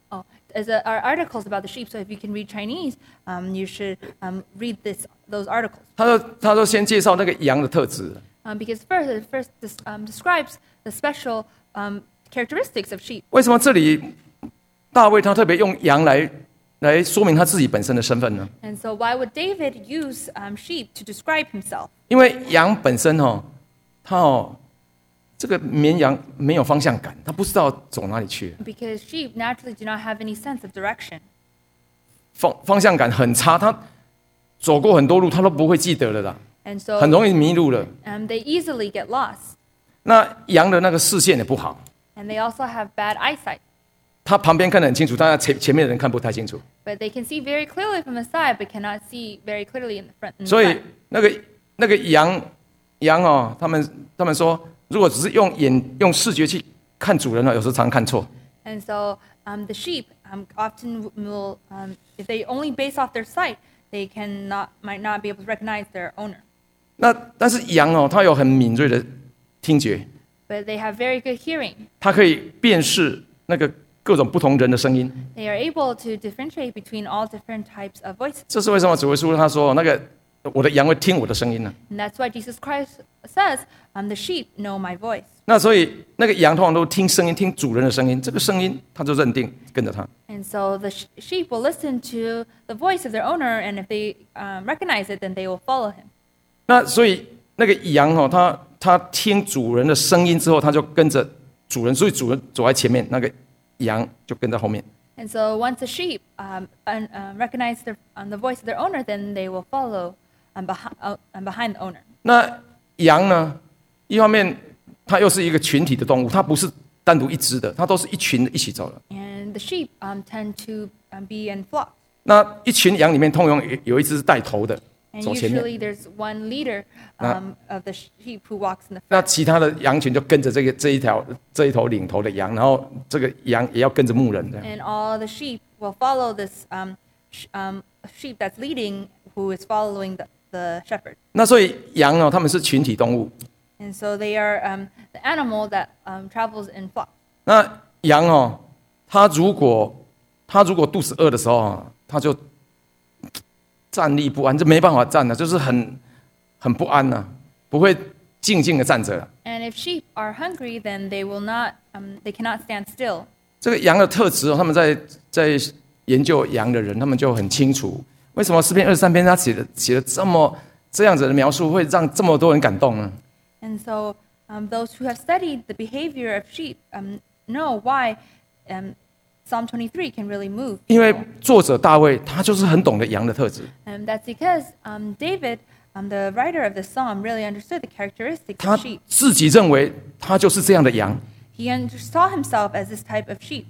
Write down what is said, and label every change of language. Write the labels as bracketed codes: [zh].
[en] Oh, our articles about the sheep. So if you can read Chinese, you should read those articles. [zh] 他说先介绍那个羊的特质。 [en] Because first describes the special characteristics of sheep. [zh] 为什么这里大卫他特别用羊来说明他自己本身的身份呢？ [en] And so why would David use sheep to describe himself? [zh] 因为羊本身哦，他哦，这个绵羊没有方向感，他不知道走哪里去。 [en] Because sheep naturally do not have any sense of direction. [zh] 方向感很差，他走过很多路，他都不会记得了啦。 [en] And so [zh] 很容易迷路了。 [en] They easily get lost. [zh] 那羊的那个视线也不好。 [en] And they also have bad eyesight. [zh] 他旁边看得很清楚，但前面的人看不太清楚。 [en] But they can see very clearly from the side, but cannot see very clearly in the front. [zh] 所以那个羊哦，他们说，如果只是用视觉去看主人哦，有时候常看错。 [en] And so, the sheep often will if they only base off their sight, they might not be able to recognize their owner. [zh] 那但是羊哦，它有很敏锐的听觉。 [en] But they have very good hearing. [zh] 它可以辨识那个。各种不同人的声音。 [en] They are able to differentiate between all different types of voices. [zh] 这是为什么主耶稣他说那个我的羊会听我的声音呢？ [en] And that's why Jesus Christ says, "The sheep know my voice." [zh] 那所以那个羊通常都听声音，听主人的声音，这个声音他就认定跟着他。 [en] And so the sheep will listen to the voice of their owner, and if they recognize it, then they will follow him. [zh] 那所以那个羊哦，他听主人的声音之后，他就跟着主人，所以主人走在前面那个。羊就跟在后面。 [en] And so once the sheep recognize the voice of their owner, then they will follow behind the owner. [zh] 那羊呢？一方面，它又是一个群体的动物，它不是单独一只的，它都是一群一起走的。 [en] And the sheep tend to be in flocks. [zh] 那一群羊里面，通常有一只是带头的，走前面。 [en] And usually there's one leader of the sheep who walks in the front. [zh] 那其他的羊群就跟着这一头领头的羊，然后这个羊也要跟着牧人的。 [en] And all the sheep will follow this sheep that's leading who is following the shepherd. [zh] 那所以羊哦，他们是群体动物。 [en] And so they are the animal that travels in flock. [zh] 那羊哦，它如果肚子饿的时候啊，它就站立不安，就没办法站了，就是很不安呐，不会静静的站着。 [en] And if sheep are hungry, then they will not, they cannot stand still. [zh] 这个羊的特质哦，他们在研究羊的人，他们就很清楚，为什么诗篇二十三篇他写了这样子的描述，会让这么多人感动呢？ [en] And so, those who have studied the behavior of sheep, know why, Psalm 23 can really move. [zh] 因为作者大卫他就是很懂得羊的特质。 [en] And that's because, David, the writer of the psalm, really understood the characteristics of sheep. [zh] 他自己认为他就是这样的羊。 [en] He saw himself as this type of sheep.